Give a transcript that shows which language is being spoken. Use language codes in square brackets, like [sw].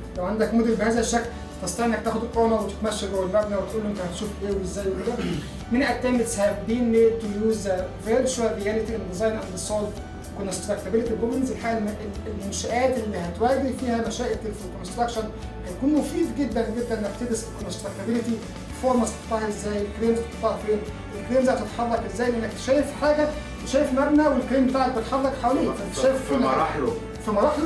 [ar] لو عندك موديل بهذا الشكل تستنى انك تاخد الاونر وتتمشى جوه المبنى وتقول له انت هتشوف ايه وازاي وكده. من [en] attempts have been made to use the virtual reality in design and solve constructability problems. [ar] الانشاءات اللي هتواجه فيها مشاكل في الكونستراكشن هيكون مفيد جدا جدا انك تدرس الكونستراكتبيلتي. فورمز هتقطعها ازاي؟ كرينز هتقطعها فين؟ الكرينز هتتحرك ازاي؟ لانك شايف حاجه وشايف مبنى والكرين بتاعك بيتحرك حواليه فانت شايف في مراحله